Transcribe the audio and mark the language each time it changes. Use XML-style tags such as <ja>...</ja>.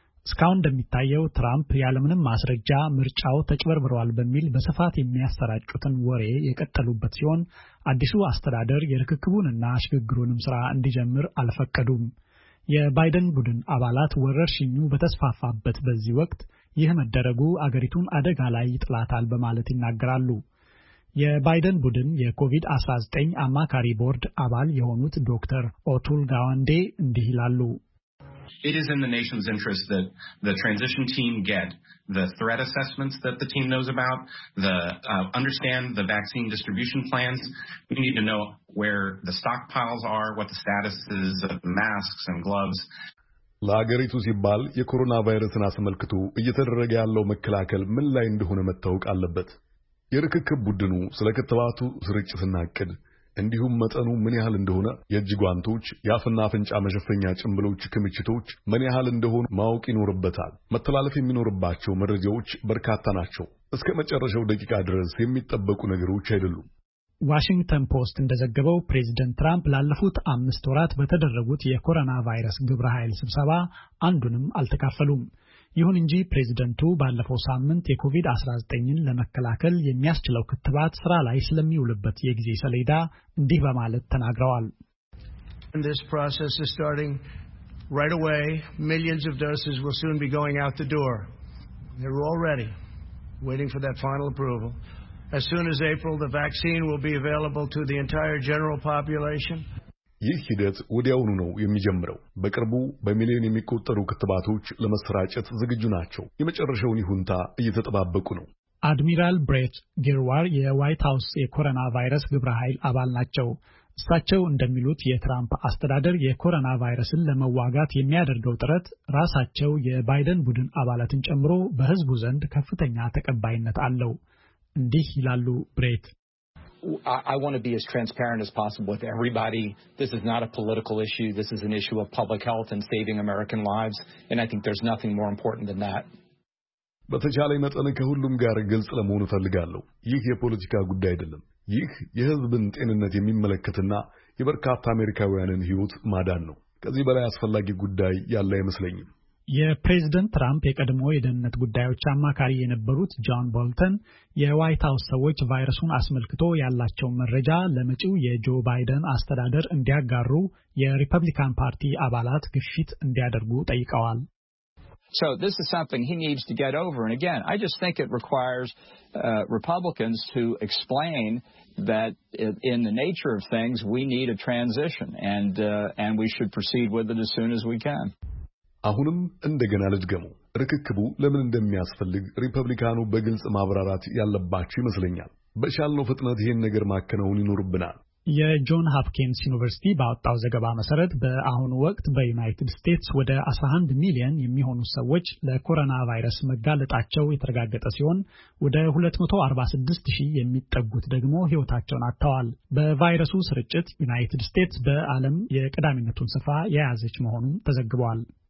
<am>ስካውን እንደሚታየው ትራምፕ ያለምንም ማስረጃ ምርጫው ተጭበርብሯል በሚል በስፋት የሚያሰራጩትን ወሬ የቀጠሉበት ሲሆን አዲሱ አስተዳደር የርክክቡንና ሽግግሩንም ስራ እንዲጀምር አልፈቀዱም። የባይደን ቡድን አባላት ወረርሽኙ በተስፋፋበት በዚህ ወቅት ይህ መደረጉ አገሪቱን አደጋ ላይ ይጥላታል በማለት ይናገራሉ። የባይደን ቡድን የኮቪድ-19 አማካሪ ቦርድ አባል የሆኑት ዶክተር ኦቱል ጋዋንዴ እንዲህ ይላሉ።</am> <en>It is in the nation's interest that the transition team get the threat assessments that the team knows about, understand the vaccine distribution plans. We need to know where the stockpiles are, what the status is of masks and gloves.</en> <am>ለሀገሪቱ ሲባል የኮሮና ቫይረስን አስመልክቶ እየተደረገ ያለው መከላከል ምን ላይ እንደሆነ መታወቅ አለበት። የርክክብ ቡድኑ ስለ ክትባቱ ስርጭትና እቅድ እንዲሁም መጠኑ ምን ያህል እንደሆነ፣ የእጅ ጓንቶች፣ የአፍና አፍንጫ መሸፈኛ ጭንብሎች ክምችቶች ምን ያህል እንደሆኑ ማወቅ ይኖርበታል። መተላለፍ የሚኖርባቸው መረጃዎች በርካታ ናቸው። እስከ መጨረሻው ደቂቃ ድረስ የሚጠበቁ ነገሮች አይደሉም። ዋሽንግተን ፖስት እንደዘገበው ፕሬዝደንት ትራምፕ ላለፉት 5 ወራት በተደረጉት የኮሮና ቫይረስ ግብረ ኃይል ስብሰባ አንዱንም አልተካፈሉም። ይሁን እንጂ ፕሬዝደንቱ ባለፈው ሳምንት የኮቪድ-19ን ለመከላከል የሚያስችለው ክትባት ስራ ላይ ስለሚውልበት የጊዜ ሰሌዳ እንዲህ በማለት ተናግረዋል።</am> <en>This process is starting right away. Millions of doses will soon be going out the door. They're all ready, waiting for that final approval. As soon as April, the vaccine will be available to the entire general population.</en> <am>ይህ ሂደት ወዲያውኑ ነው የሚጀምረው። በቅርቡ በሚሊዮን የሚቆጠሩ ክትባቶች ለመስራጨት ዝግጁ ናቸው። የመጨረሻው ሁኔታ እየተጠባበቁ ነው። አድሚራል ብሬት ጌርዋር የዋይት ሃውስ የኮሮና ቫይረስ ግብረ ኃይል አባል ናቸው። እሳቸው እንደሚሉት የትራምፕ አስተዳደር የኮሮና ቫይረስን ለመዋጋት የሚያደርገው ጥረት ራሳቸው የባይደን ቡድን አባላትን ጨምሮ በህዝቡ ዘንድ ከፍተኛ ተቀባይነት አለው። እንዲህ ይላሉ ብሬት።</am> <en>I want to be as transparent as possible with everybody. This is not a political issue. This is an issue of public health and saving American lives. And I think there's nothing more important than that.</en> <am>በተቻለ መጠን ከሁሉም ጋር ግልጽ ለመሆን ፈልጋለሁ። ይህ የፖለቲካ ጉዳይ አይደለም። ይህ የህዝብን ጤንነት የሚመለከትና የበርካታ አሜሪካውያንን ህይወት ማዳን ነው። ከዚህ በላይ አስፈላጊ ጉዳይ ያለ አይመስለኝም። የፕሬዝደንት ትራምፕ የቀድሞ የደህንነት ጉዳዮች አማካሪ የነበሩት ጆን ቦልተን የዋይት ሃውስ ሰዎች ቫይረሱን አስመልክቶ ያላቸው መረጃ ለመጪው የጆ ባይደን አስተዳደር እንዲያጋሩ የሪፐብሊካን ፓርቲ አባላት ግፊት እንዲያደርጉ ጠይቀዋል።</am> <en>So this is something he needs to get over, and again, I just think it requires Republicans to explain that in the nature of things we need a transition and we should proceed with it as soon as we can.</en> <am>አሁንም እንደገና ልድገሙ። ርክክቡ ለምን እንደሚያስፈልግ ሪፐብሊካኑ በግልጽ ማብራራት ያለባቸው ይመስለኛል። በሻልነው ፍጥነት ይሄን ነገር ማከናወን ይኖርብናል። የጆን ሃፕኪንስ ዩኒቨርሲቲ ባወጣው ዘገባ መሰረት በአሁን ወቅት በዩናይትድ ስቴትስ ወደ 11 ሚሊዮን የሚሆኑ ሰዎች ለኮሮና ቫይረስ መጋለጣቸው የተረጋገጠ ሲሆን ወደ 246 ሺህ የሚጠጉት ደግሞ ህይወታቸውን አጥተዋል። በቫይረሱ ስርጭት ዩናይትድ ስቴትስ በዓለም የቀዳሚነቱን ስፍራ የያዘች መሆኑን ተዘግቧል።</am>